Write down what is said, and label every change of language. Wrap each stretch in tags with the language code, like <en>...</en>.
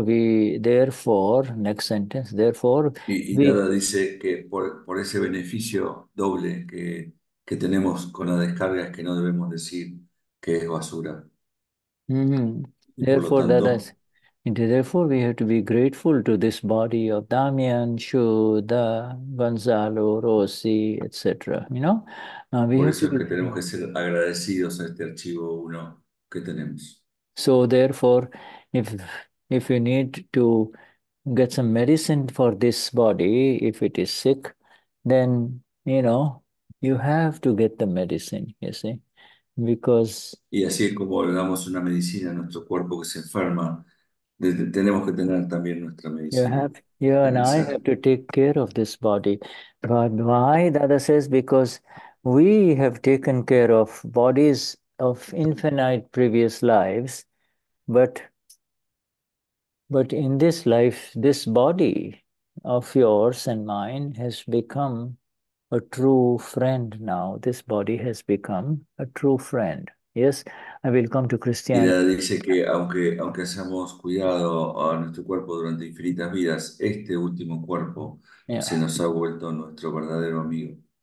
<es>y Dada dice que por ese beneficio doble que tenemos con la descarga es que no debemos decir que es basura. Y por lo</es> <en>therefore</en> <es>tanto,</es> <en>and therefore we have to be grateful to this body of Damian, Shuddha, Gonzalo, Rossi, etc. You know?</en> <es>Tenemos que ser agradecidos a este archivo uno que tenemos.</es> <en>So therefore, if you need to get some medicine for this body, if it is sick, then, you know, you have to get the medicine, you see? Because...</en> <es>Y así como le damos una medicina a nuestro cuerpo que se enferma, tenemos que tener también nuestra medicina.</es> <en>You and I have to take care of this body. But why? Dada says, because we have taken care of bodies of infinite previous lives, but in this life, this body of yours and mine has become a true friend now. This body has become a true friend. Yes, I will come to Cristian.</en> <es>Ella dice que aunque hayamos cuidado a nuestro cuerpo durante infinitas vidas, este último cuerpo se nos ha vuelto nuestro verdadero amigo.</es>